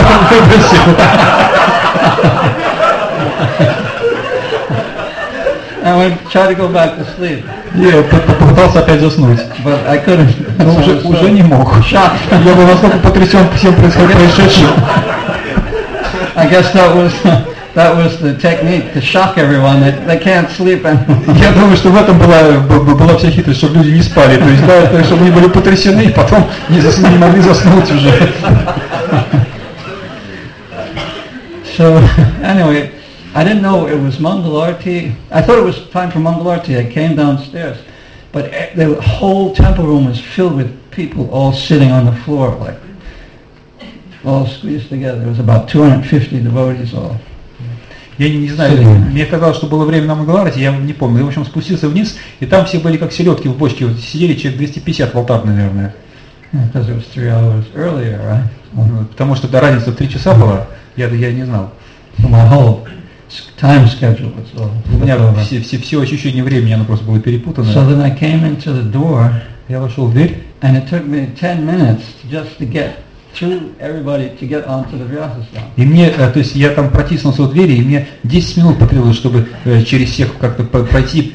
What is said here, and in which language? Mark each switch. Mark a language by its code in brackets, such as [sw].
[ru] Выбросил. [en] I went try to go back to sleep. [ru] Yeah, попытался опять заснуть. [en] But I couldn't. [ru] Но уже не мог. [en] Shocked. [ru] Я был настолько потрясен всем происходящим. [en] I guess that was. That was the technique to shock everyone that they can't sleep anymore. [ru] Я думаю, что в этом была вся хитрость, чтобы люди не спали. То есть, да, это, чтобы они были потрясены, и потом не могли заснуть уже. [en] So, anyway, I didn't know it was Mangalarti. I thought it was time for Mangalarti. I came downstairs. But the whole temple room was filled with people all sitting on the floor, like, all squeezed together. It was about 250 devotees all. [ru] Я не знаю, мне казалось, что было время на Мангаларти, я не помню. Я, в общем, спустился вниз, и там все были как селедки в бочке, вот сидели человек 250 в алтарной, наверное. [en] Because it was 3 hours earlier, right? [ru] Потому что разница в 3 часа была, я не знал. [en] So my whole time schedule was all. [ru] У меня все ощущение времени, оно просто было перепутано. [en] So then I came into the door. [ru] Я вошел в дверь. [en] And it took me 10 minutes just to get through everybody to get onto the Vyasastha. [ru] И мне, то есть я там протиснулся в двери, и мне 10 минут потребовалось, чтобы через всех как-то пройти